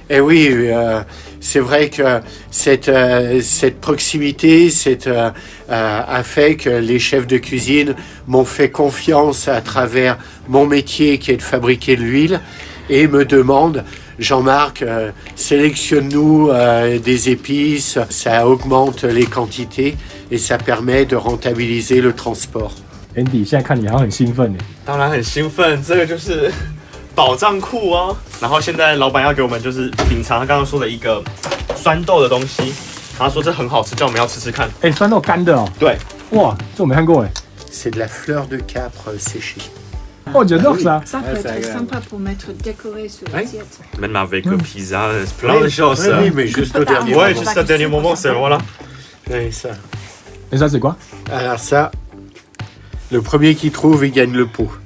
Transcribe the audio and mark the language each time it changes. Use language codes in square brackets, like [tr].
[fr] Et oui, c'est vrai que cette proximité a fait que les chefs de cuisine m'ont fait confiance à travers mon métier qui est de fabriquer de l'huile et me demandent, Jean-Marc, sélectionne-nous des épices, ça augmente les quantités et ça permet de rentabiliser le transport. [zh] Andy, 现在看你好像很兴奋耶。当然很兴奋，这个就是 宝藏库啊，然后现在老板要给我们就是品尝他刚刚说的一个酸豆的东西，他说这很好吃，叫我们要吃吃看。哎，酸豆干的哦。对，哇，这我没看过哎。 [fr] C'est de la fleur de capre séchée. Oh, j'adore ça. Ça peut être sympa pour mettre décoré sur l'assiette. Même avec le pizza, plein de choses. Oui, mais juste au dernier moment. Ouais, juste au dernier moment, c'est voilà. Et ça, c'est quoi? Alors ça, le premier qui trouve, il gagne le pot.